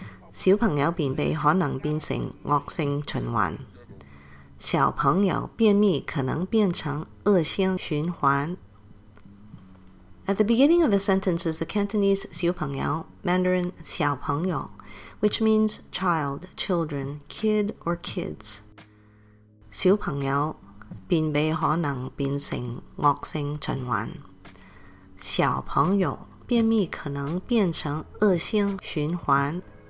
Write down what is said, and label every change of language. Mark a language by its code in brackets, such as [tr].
[zh] 小朋友便秘可能变成恶性循环。小朋友便秘可能变成恶性循环。 [en] At the beginning of the sentence is the Cantonese 小朋友, Mandarin 小朋友, which means child, children, kid or kids. [zh] 小朋友便秘可能变成恶性循环。小朋友便秘可能变成恶性循环。